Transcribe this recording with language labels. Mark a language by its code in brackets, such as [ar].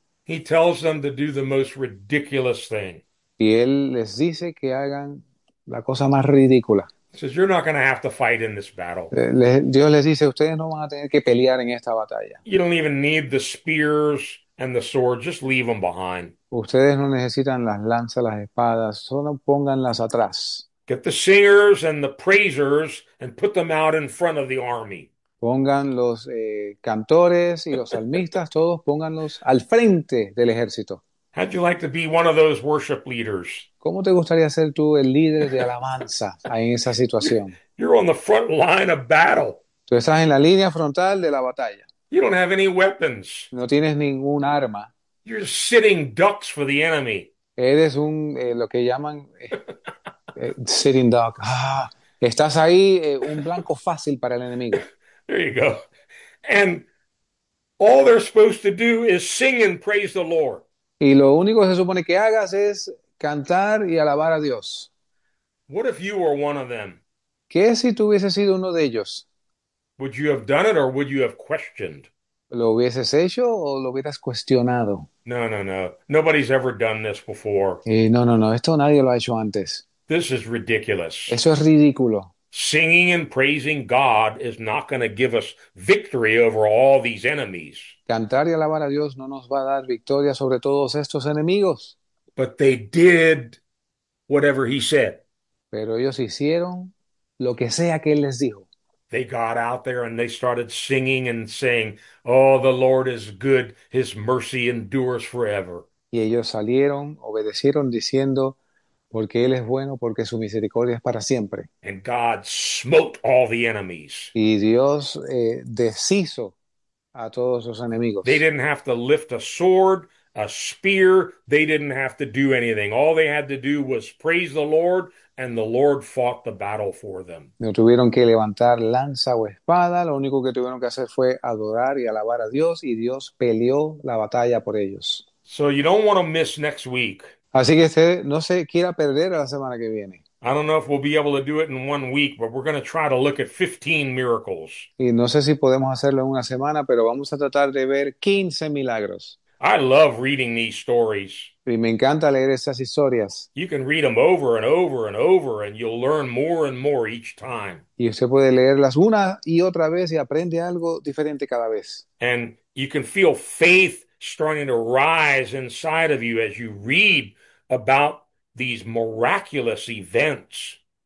[en] He tells them to do the most ridiculous thing. [es] Y Él les dice que hagan la cosa más ridícula. [en] He says, you're not going to have to fight in this battle. [es] Dios les dice, ustedes no van a tener que pelear en esta batalla. [en] You don't even need the spears and the sword, just leave them behind. [es] Ustedes no necesitan las lanzas, las espadas, solo pónganlas atrás. [en] Get the singers and the praisers and put them out in front of the army. [es] Pongan los cantores y los salmistas, todos pónganlos al frente del ejército. [en] How'd you like to be one of those worship leaders? [es] ¿Cómo te gustaría ser tú el líder de alabanza en esa situación? [en] You're on the front line of battle. [es] Tú estás en la línea frontal de la batalla. [en] You don't have any weapons. [es] No tienes ningún arma. [en] You're just sitting ducks for the enemy. [es] Eres un lo que llaman [en] sitting duck. [es] Ah, estás ahí un blanco fácil para el enemigo. [en] There you go. And all they're supposed to do is sing and praise the Lord. [es] Y lo único que se supone que hagas es cantar y alabar a Dios. [en] What if you were one of them? [es] ¿Qué si tú hubieses sido uno de ellos? [en] Would you have done it or would you have questioned? [es] ¿Lo hubieses hecho o lo hubieras cuestionado? [en] No. Nobody's ever done this before. [es] No, esto nadie lo ha hecho antes. [en] This is ridiculous. [es] Eso es ridículo. [en] Singing and praising God is not going to give us victory over all these enemies. [es] Cantar y alabar a Dios no nos va a dar victoria sobre todos estos enemigos. [en] But they did whatever he said. [es] Pero ellos hicieron lo que sea que él les dijo. [en] They got out there and they started singing and saying, "Oh, the Lord is good, His mercy endures forever." [es] Y ellos salieron, obedecieron diciendo, porque Él es bueno, porque su misericordia es para siempre. [en] And God smote all the enemies. [es] Y Dios deshizo a todos sus [en] They [es] enemigos. [en] didn't have to lift a sword, a spear. They didn't have to do anything. All they had to do was praise the Lord, and the Lord fought the battle for them. [es] No tuvieron que levantar lanza o espada, lo único que tuvieron que hacer fue adorar y alabar a Dios, y Dios peleó la batalla por ellos. [en] So you don't want to miss next week. [es] Así que usted no se quiera perder la semana que viene. [en] I don't know if we'll be able to do it in 1 week, but we're going to try to look at 15 miracles. [es] Y no sé si podemos hacerlo en una semana, pero vamos a tratar de ver 15 milagros. [en] I love reading these stories. [es] Y me encanta leer esas historias. [en] You can read them over and over and over, and you'll learn more and more each time. [es] Y usted puede leerlas una y otra vez y aprende algo diferente cada vez. [en] And you can feel faith starting to rise inside of you as you read about these miraculous events.